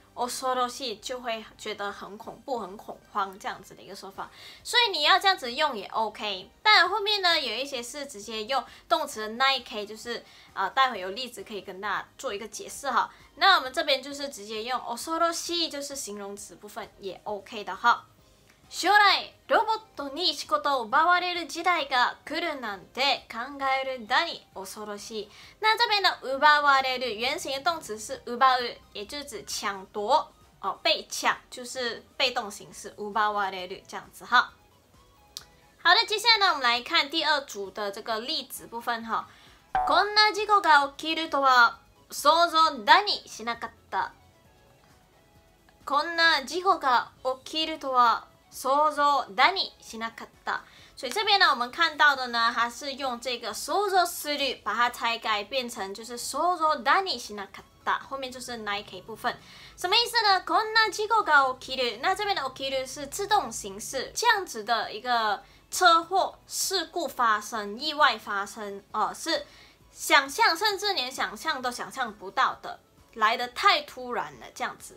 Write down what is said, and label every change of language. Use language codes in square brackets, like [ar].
[zh] 恐ろしい就会觉得很恐怖、很恐慌这样子的一个说法，所以你要这样子用也 OK。但后面呢，有一些是直接用动词的那一 K， 就是待会有例子可以跟大家做一个解释哈。那我们这边就是直接用恐ろしい，就是形容词部分也 OK 的哈。 [ja] 将来ロボットに仕事を奪われる時代が来るなんて考えるだに恐ろしい。 [zh] 那这边的奪われる原型的动词是奪う，也就是指抢夺、哦、被抢，就是被动形式奪われる这样子哈。好的，接下来呢我们来看第二组的这个例子部分哈。 [ja] こんな事故が起きるとは想像だにしなかった。こんな事故が起きるとは想像だにしなかった。 [zh] 所以这边呢我们看到的呢，它是用这个想像する把它拆改变成就是 [ja] 想像だにしなかった， [zh] 后面就是那一 K 部分。什么意思呢？ [ja] こんな事故が起きる， [zh] 那这边的起きる是自动形式，这样子的一个车祸事故发生，意外发生、是想象，甚至连想象都想象不到的，来得太突然了这样子。